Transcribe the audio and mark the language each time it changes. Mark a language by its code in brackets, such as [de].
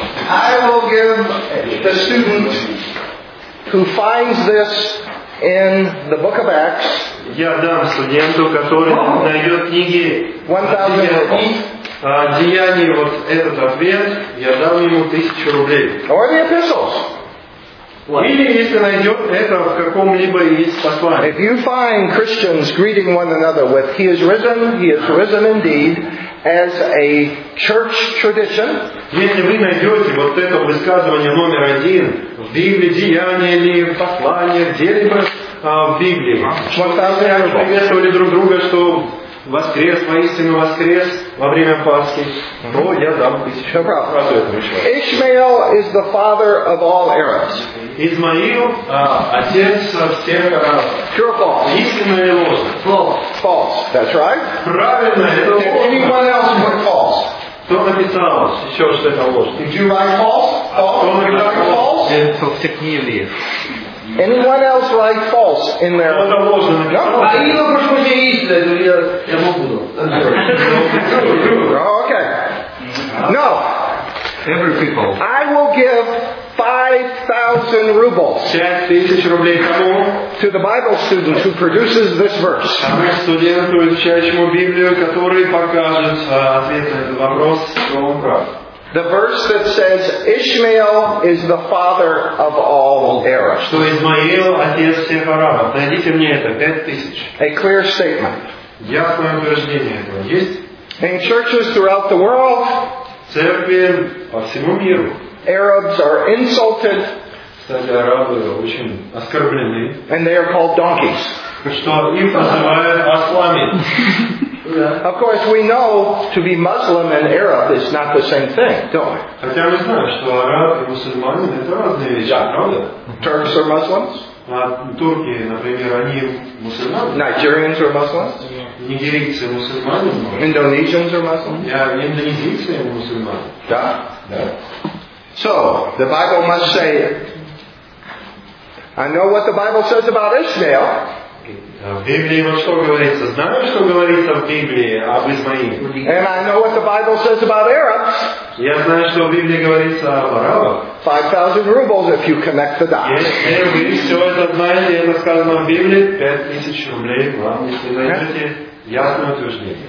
[en] I will give the student who finds this in the book of Acts. [ru] Я дам студенту, который найдет книги Деяния, вот этот ответ, я дам ему 1000 рублей. [en] Or the epistles. [ru] Или если найдет это в каком-либо из посланий. [en] If you find Christians greeting one another with he is risen indeed, as a church tradition. [ru] Если вы найдете вот это высказывание номер один в Библии, Деяния или послание, где-либо в Библии, что мы приветствовали друг друга, что воскрес, воистину воскрес во время Пасхи, то я дам тысячу. Сразу это пришло. [en] Ishmael is the father of all Arabs. [ru] Исмаил отец всех арабов. [en] True or false? [ru] Истинно или ложно? [en] False. False. That's right. [ru] Правильно. Это [en] anyone else but false? [ru] Кто написал еще, что это ложь? [en] Did you write false? [ru] Кто написал [en] false? [ru] Это в технике. [en] Anyone else write false in their? [ru] Кто-то ложно написал. А я прошу меня истинно, я могу. [en] Okay. No. Every people. I will give 5,000 rubles. [ru] 5,000 рублей кому? [en] To the Bible student who produces this verse. [ru] Тому студенту, изучающему Библию, который покажет ответ на этот вопрос, что он прав. [en] The verse that says Ishmael is the father of all Arabs. [ru] Что Измаил отец всех арабов? Найдите мне это 5000. [en] A clear statement. [ru] Ясное утверждение этого есть? [en] In churches throughout the world, [ru] церкви по всему миру, [en] Arabs are insulted. [ru] Кстати, арабы очень оскорблены. [en] And they are called donkeys. [ru] Что их называют ослами? [en] Yeah. Of course, we know to be Muslim and Arab is not the same thing, don't we? [ru] Хотя мы знаем, что арабы и мусульмане — это разные вещи, правда? [en] Turks are Muslims. [ru] Турки, например, они мусульмане. [en] Nigerians are Muslims. [ru] Нигерийцы мусульмане. [en] Indonesians are Muslims. [ru] Индонезийцы мусульмане. Да. [en] So the Bible must say, I know what the Bible says about Ishmael. [ru] В Библии вот что говорится? Знаю, что говорится в Библии об Измаиле. [en] And I know what the Bible says about Arabs. [ru] Я знаю, что в Библии говорится об арабах. [en] 5,000 rubles if you connect the dots. [ru] Если вы все это знаете, это сказано в Библии, 5000 рублей вам, если найдете ясное утверждение.